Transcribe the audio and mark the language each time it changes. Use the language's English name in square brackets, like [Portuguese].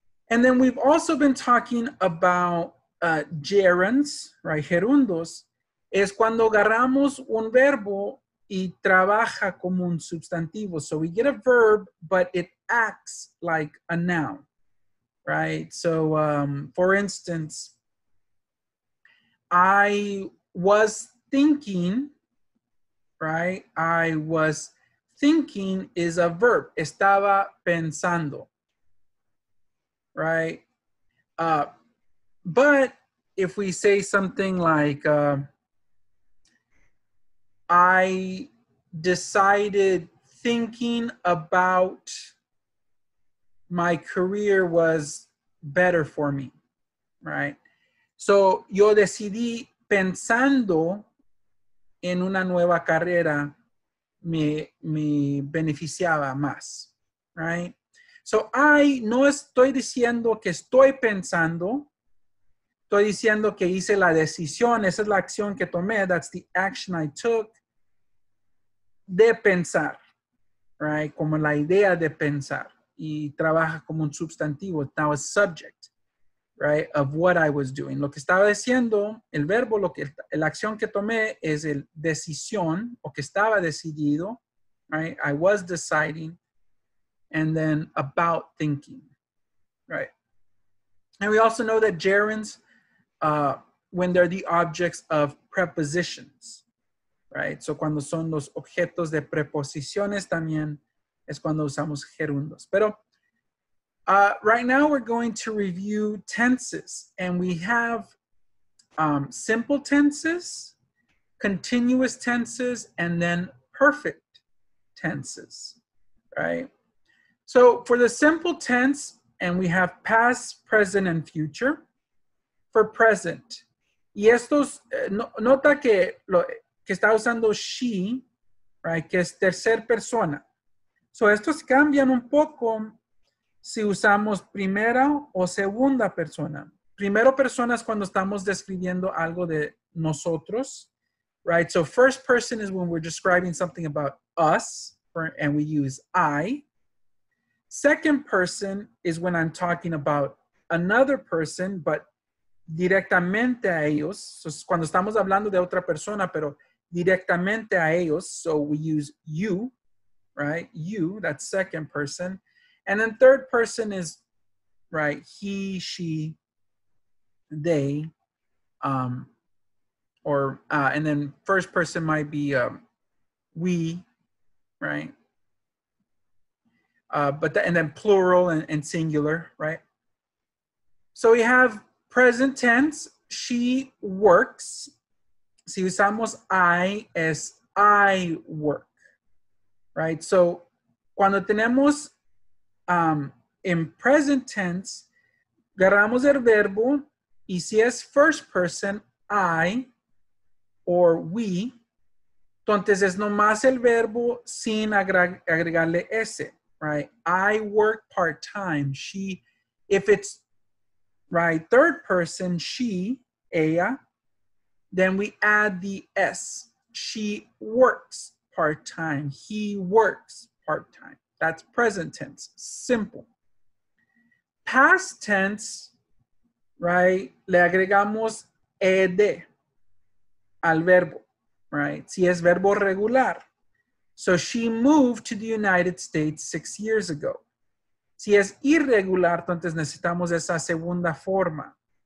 [English] And then we've also been talking about gerunds, right? [Spanish] Gerundos es cuando agarramos un verbo y trabaja como un sustantivo. [English] So we get a verb, but it acts like a noun, right? So for instance, I was thinking, right? I was thinking is a verb. [Spanish] Estaba pensando, [English] right? But if we say something like, I decided thinking about my career was better for me, right? [Spanish] So yo decidí pensando en una nueva carrera me beneficiaba más, right? So I no estoy diciendo que estoy pensando. Estoy diciendo que hice la decisión. Esa es la acción que tomé. [English] That's the action I took. [Spanish] De pensar, [English] right? [Spanish] Como la idea de pensar. Y trabaja como un sustantivo. [English] Now a subject, right? Of what I was doing. [Spanish] Lo que estaba diciendo, el verbo, lo que, la acción que tomé es el decisión o que estaba decidido, right? [English] I was deciding. And then about thinking, right? And we also know that gerunds, when they're the objects of prepositions. right? [Spanish] So cuando son los objetos de preposiciones también es cuando usamos gerundos. [English] Pero right now we're going to review tenses, and we have simple tenses, continuous tenses, and then perfect tenses, right? So for the simple tense, and we have past, present, and future. For present, [Spanish] y estos, nota que, lo, que está usando she, right, que es tercer persona. So estos cambian un poco si usamos primera o segunda persona. Primero persona es cuando estamos describiendo algo de nosotros, right? [English] So first person is when we're describing something about us, and we use I. Second person is when I'm talking about another person, but [Spanish] directamente a ellos. So cuando estamos hablando de otra persona, pero directamente a ellos. [English] So we use you, right? You, that's second person. And then third person is, right, he, she, they, or, and then first person might be we, right? But the, and then plural and singular, right? So we have present tense, she works. [Spanish] Si usamos I, es [English] I work, [Spanish] right? So cuando tenemos [English] in present tense, [Spanish] agarramos el verbo, y si es [English] first person, [Spanish] I or we, entonces es nomás el verbo sin agregarle S. [English] Right, I work part-time, she, if it's, right, third person, she, ella, then we add the S, she works part-time, he works part-time. That's present tense, simple. Past tense, [Spanish] right, le agregamos ed al verbo, right, si es verbo regular. [English] So she moved to the United States 6 years ago. [Spanish] Si es irregular, entonces necesitamos esa segunda forma.